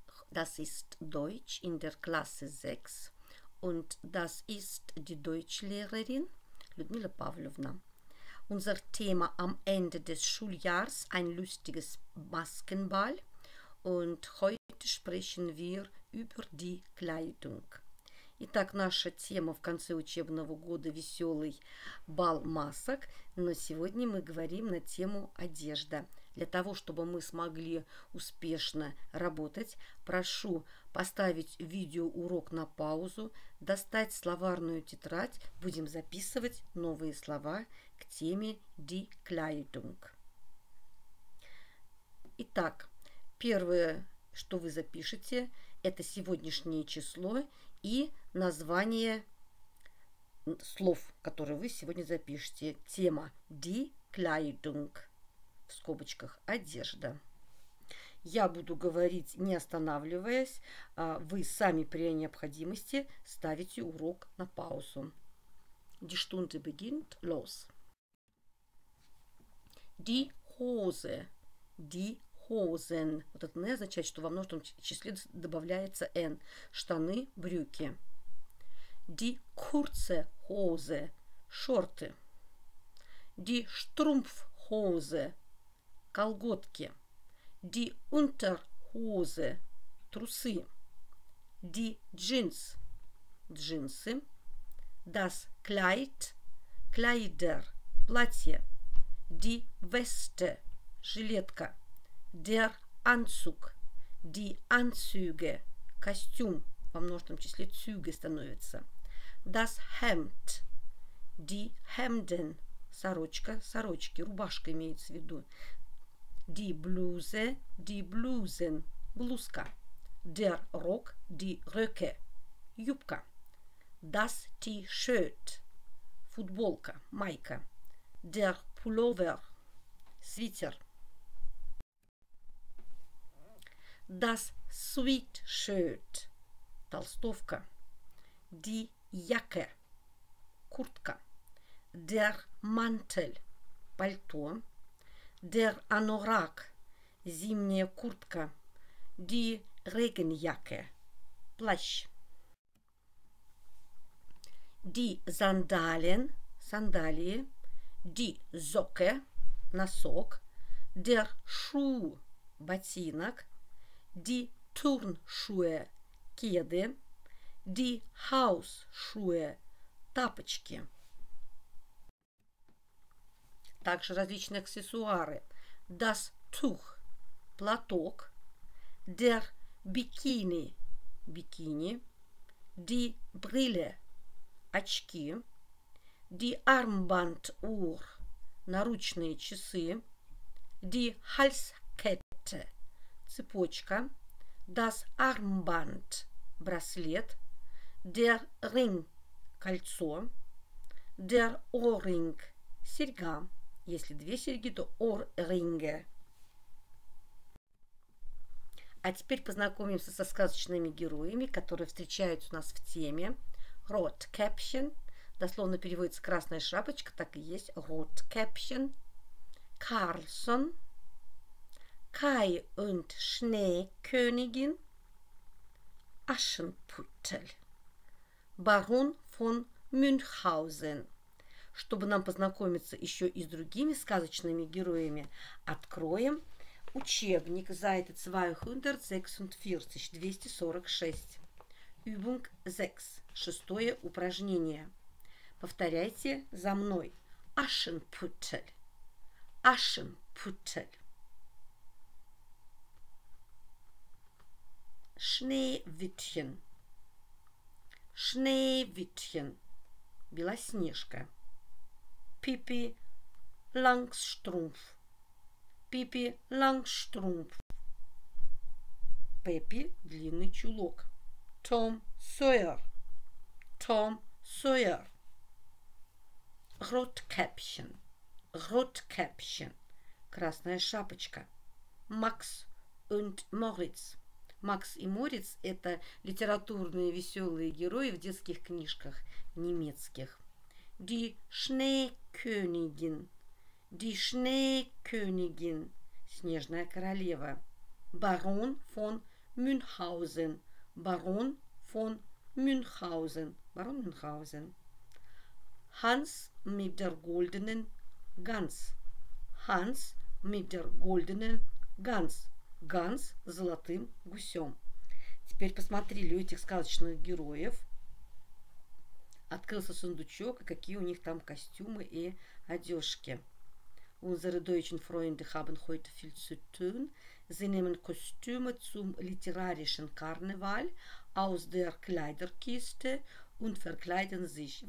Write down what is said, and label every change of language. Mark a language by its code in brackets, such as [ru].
[de] Das ist Deutsch in der Klasse 6 und das ist die Deutschlehrerin Людмила Павловна. Unser Thema am Ende des Schuljahrs, ein lustiges Maskenball. Und heute sprechen wir über die Kleidung. [ru] Итак, наша тема в конце учебного года «Веселый бал масок», но сегодня мы говорим на тему «Одежда». Для того, чтобы мы смогли успешно работать, прошу поставить видеоурок на паузу, достать словарную тетрадь, будем записывать новые слова к теме [de] «Die Kleidung». [ru] Итак, первое, что вы запишете, это сегодняшнее число и название слов, которые вы сегодня запишете. Тема [de] «Die Kleidung». [ru] В скобочках «одежда». Я буду говорить, не останавливаясь, а вы сами при необходимости ставите урок на паузу. [de] Die Stunde beginnt, los. Die Hose, die Hosen. [ru] Вот это «не» означает, что во множественном числе добавляется «н». Штаны, брюки. [de] Die kurze Hose, шорты. Die Strumpfhose, колготки. Die Unterhose, трусы. Die Jeans, джинсы. Das Kleid, Kleider, платье. Die Weste, жилетка. Der Anzug, die Anzüge, костюм. [ru] Во множественном числе Züge становится. [de] Das Hemd, die Hemden, [ru] сорочка, сорочки, рубашка имеется в виду. [de] Die Bluse, die Blusen, блузка. Der Rock, die Röcke, юбка. Das T-Shirt, [ru] футболка, майка. [de] Der Pullover, свитер. Das Sweatshirt, толстовка. Die Jacke, куртка. Der Mantel, пальто. Der Anorak, зимняя куртка. Die Regenjacke, плащ. Die Sandalen, сандалии. Die Socke, носок. Der Schuh, ботинок. Die Turnschuhe, кеды. Die Hausschuhe, тапочки. [ru] Также различные аксессуары. [de] Das Tuch, платок. Der Bikini, бикини. Die Brille, очки. Die Armbanduhr, [ru] наручные часы. [de] Die Halskette, цепочка. Das Armband, браслет. Der Ring, кольцо. Der Ohrring, серьга. [ru] Если две серьги, то Ohrringe. А теперь познакомимся со сказочными героями, которые встречаются у нас в теме. Rotkäppchen, дословно переводится «красная шапочка», так и есть Rotkäppchen. [de] Carlsson, Kai und Schneekönigin, Aschenputtel, Барон фон Мюнхгаузен. [ru] Чтобы нам познакомиться еще и с другими сказочными героями, откроем учебник [de] Seite 246, 246. Übung 6. [ru] Шестое упражнение. Повторяйте за мной. [de] Aschenputtel. Aschenputtel. Schneewittchen. Schneewittchen. Белоснежка. Pippi Langstrumpf. Pippi Langstrumpf. [ru] Пеппи – длинный чулок. Tom Sawyer. [de] Tom Sawyer. Rotkäppchen. Rotkäppchen. [ru] Красная шапочка. [de] Max und Moritz. [ru] Макс и Морец – это литературные веселые герои в детских книжках немецких. [de] Die Schneekönigin. Die Schneekönigin. [ru] Снежная королева. Барон фон Мюнхгаузен. Барон фон Мюнхгаузен. Барон Мюнхгаузен. [de] Ханс mit der goldenen Gans. Ханс mit der goldenen Gans. [ru] Ганс с золотым гусем. Теперь посмотрели у этих сказочных героев. Открылся сундучок, и какие у них там костюмы и одежки. [de] Unsere deutschen Freunde haben heute viel zu tun. Sie nehmen Kostüme zum literarischen Karneval aus der Kleiderkiste und verkleiden sich.